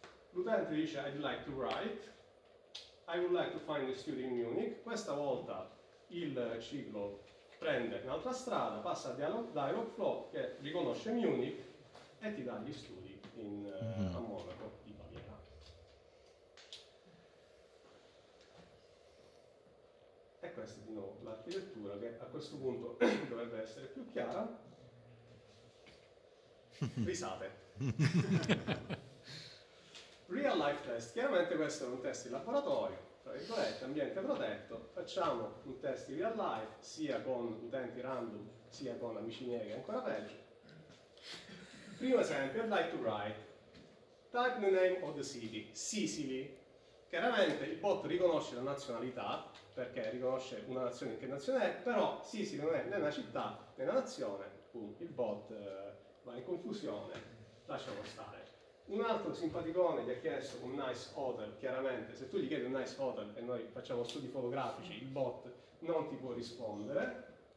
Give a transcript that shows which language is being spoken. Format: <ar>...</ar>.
<it>L'utente dice</it> <en>I'd like to write, I would like to find a studio in Munich.</en> <it>Questa volta il ciclo prende un'altra strada, passa a Dialogflow che riconosce Munich e ti dà gli studi a Monaco di Baviera. E questa è di nuovo l'architettura, che a questo punto dovrebbe essere più chiara. Risate.</it> <en>Real life test,</en> <it>chiaramente questo è un test di laboratorio, tra virgolette, ambiente protetto. Facciamo un test di real life sia con utenti random sia con amici miei, che è ancora peggio. Primo esempio,</it> <en>I'd like to write, type the name of the city, Sicily.</en> <it>Chiaramente il bot riconosce la nazionalità, perché riconosce una nazione, che nazione è, però Sicily non è né una città né una nazione. Il bot va in confusione, lasciamo stare. Un altro simpaticone gli ha chiesto un</it> <en>nice hotel.</en> <it>Chiaramente, se tu gli chiedi un nice hotel e noi facciamo studi fotografici, il bot non ti può rispondere.</it>